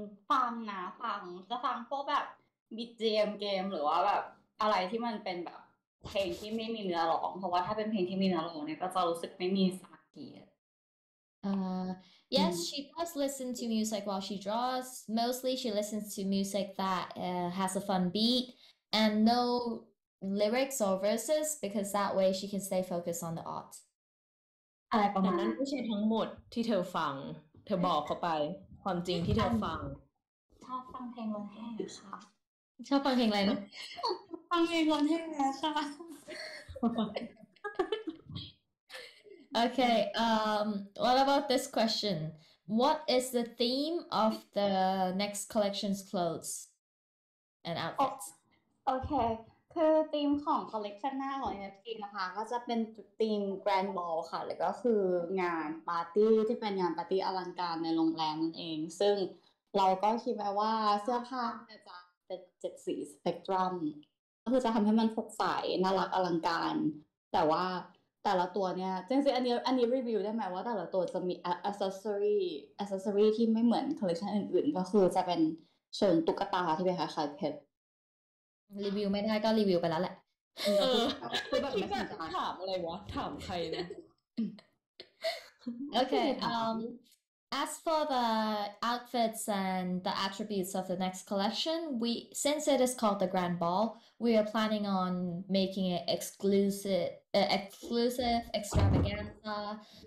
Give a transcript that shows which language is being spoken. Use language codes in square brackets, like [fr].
[th] ฟังนะฟังจะฟังพวกแบบ BGM เกมหรือว่าแบบอะไรที่มันเป็นแบบเพลงที่ไม่มีเนื้อร้องเพราะว่าถ้าเป็นเพลงที่มีเนื้อร้องเนี่ยก็จะรู้สึกไม่มีสมาธิ [en] Yes, she does listen to music while she draws. Mostly she listens to music that has a fun beat and no lyrics or verses because that way she can stay focused on the art. [th] อะไรประมาณ นั้นไม่ใช่ทั้งหมดที่เธอฟังเธอบอกเขาไปความจริงที่เธอฟัง ชอบฟังเพลงร้องไห้ค่ะ ชอบฟังเพลงอะไรนะ ฟังเพลงร้องไห้ค่ะ [en] Okay, what about this question? What is the theme of the next collection's clothes and outfits? [th] Okay, คือธีมของคอลเลกชันหน้าของ NFT นะคะก็จะเป็นธีมแกรนด์บอลค่ะแล้วก็คืองานปาร์ตี้ที่เป็นงานปาร์ตี้อลังการในโรงแรมนั่นเองซึ่งเราก็คิดไว้ว่าเสื้อผ้าจะเป็นเจ็ดสีสเปกตรัมก็คือจะทำให้มันสดใสน่ารักอลังการแต่ว่าแต่ละตัวเนี่ยจริงๆอันนี้รีวิวได้ไหมว่าแต่ละตัวจะมีอัคเซสซอรีที่ไม่เหมือนคอลเลกชันอื่นๆก็คือจะเป็นเชิงตุ๊กตาที่เป็นคล้ายๆเพชร รีวิวไม่ได้ก็รีวิวไปแล้วแหละ เออคือแบบถามอะไรวะถามใครนะ [en] โอเค As for the outfits and the attributes of the next collection, since it is called the Grand Ball, we are planning on making it exclusive extravaganza.